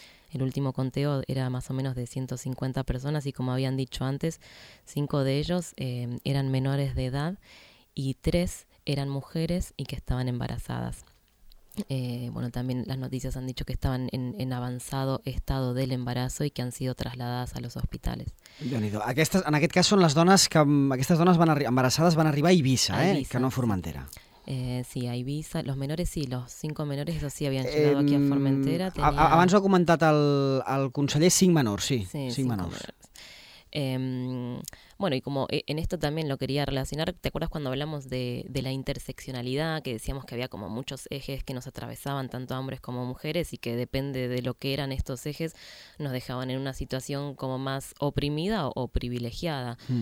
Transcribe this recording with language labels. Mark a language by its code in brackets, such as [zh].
[es] El último conteo era más o menos de 150 personas y como habían dicho antes, cinco de ellos eran menores de edad y tres eran mujeres y que estaban embarazadas. Bueno, también las noticias han dicho que estaban en avanzado estado del embarazo y que han sido trasladadas a los hospitales. [ca] Aquestes, en aquest cas són les dones que aquestes dones van embarassades van arribar a A Eivissa, que Eivissa, no a Formentera. sí, a Eivissa. [es] Los menores sí, los cinco menores, eso sí, habían llegado aquí a Formentera. [ca] Abans ho ha comentat el conseller, cinc menors, sí, Sí, cinc [es] cinco [ca] menors. [es] menores. Bueno, y como en esto también lo quería relacionar, ¿te acuerdas cuando hablamos de la interseccionalidad, que decíamos que había como muchos ejes que nos atravesaban tanto a hombres como mujeres y que depende de lo que eran estos ejes, nos dejaban en una situación como más oprimida o privilegiada?